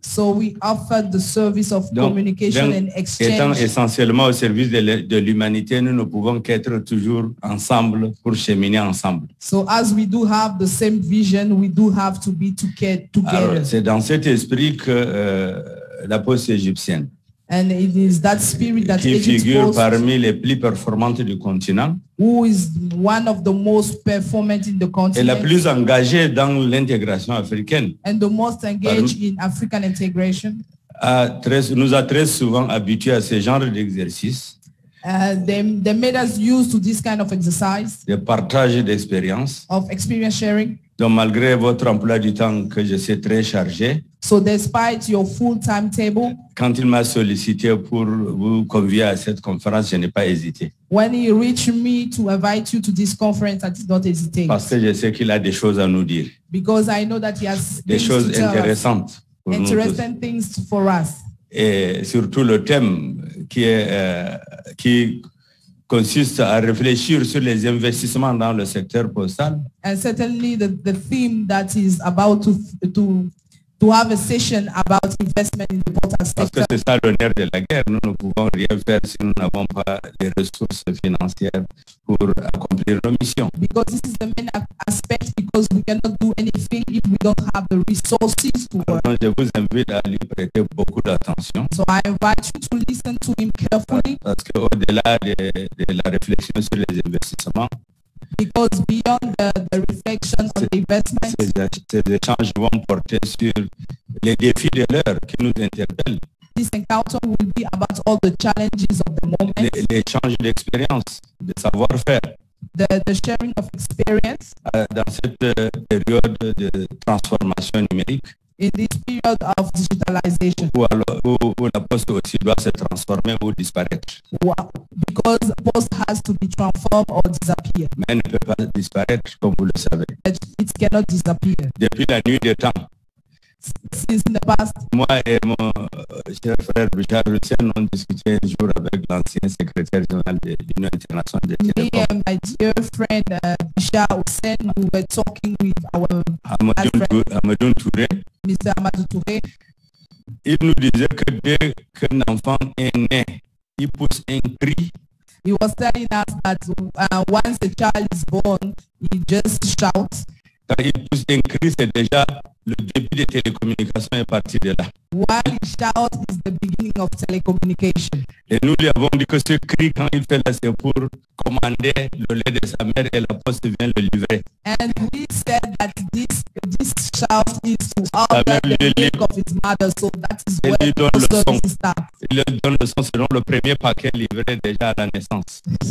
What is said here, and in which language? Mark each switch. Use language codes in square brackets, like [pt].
[en] So we offer the service of communication and exchange. [fr] Étant essentiellement au service de l'humanité, nous ne pouvons qu'être toujours ensemble pour cheminer ensemble. [en] So as we do have the same vision, we do have to be together. [fr] Alors, c'est dans cet esprit que la poste égyptienne, [en] and it is that spirit that [fr] qui figure parmi les plus performantes du continent, [en] who is one of the most performant in the continent, [fr] et la plus engagée dans l'intégration africaine, [en] and the most engaged in African integration, [fr] nous a très souvent habitués à ce genre d'exercice. [en] They made us used to this kind of exercise, [fr] de partage d'expérience, [en] of experience sharing. [fr] Donc malgré votre emploi du temps que je sais très chargé, [en] so despite your full timetable, [fr] quand il m'a sollicité pour vous convier à cette conférence, je n'ai pas hésité. [en] When he reached me to invite you to this conference, I did not hesitate. [fr] Parce que je sais qu'il a des choses à nous dire. [en] Because I know that he has [fr] des choses intéressantes. [en] Interesting things for us. [fr] Et surtout le thème qui consiste à réfléchir sur les investissements dans le secteur postal. [en] And certainly the theme that is about to to have a session about investment in the port and sector. [fr] Parce que c'est ça le nerf de la guerre. Nous ne pouvons rien faire si nous n'avons pas les ressources financières pour accomplir nos missions. [en] Because this is the main aspect, because we cannot do anything if we don't have the resources to work. [fr] Alors, je vous invite à lui prêter beaucoup d'attention. [en] So I invite you to listen to him carefully. [fr] Parce que au-delà de la réflexion sur les investissements, [en] because beyond the reflection on the investment, [fr] ces échanges vont porter sur les défis de l'heure qui nous interpellent. [en] This encounter will be about all the challenges of the moment. [fr] L'échange d'expérience, de savoir-faire. [en] The sharing of experience. [fr] Dans cette période de transformation numérique. [en] In this period of digitalization. [fr] Où la poste aussi doit se transformer ou disparaître. Wow. [en] Because the post has to be transformed or disappear. [fr] Mais elle ne peut pas disparaître, comme vous le savez. [en] It cannot disappear. [fr] Depuis la nuit des temps. [en] Since in the past. [fr] Moi et mon cher frère Richard Lucien ont discuté un jour avec l'ancien secrétaire général de l'Union internationale des télécoms. [en] Me and my dear friend Richard Lucien, we were talking with our [fr] Amadou Touré. [en] Mr. Amadou Touré. [fr] Il nous disait que dès qu'un enfant est né, il pousse un cri. [en] He was telling us that once a child is born, he just shouts. [fr] Quand il pousse un cri, c'est déjà le début des télécommunications est parti de là. [en] While he shouts is the beginning of telecommunication. [fr] Et nous lui avons dit que ce cri, quand il fait là, c'est pour commander le lait de sa mère et la poste vient le livrer. [en] And we said that this shout is to order the milk of his mother, so that is where the service starts. [fr] Il lui donne le son selon le premier paquet livré déjà à la naissance.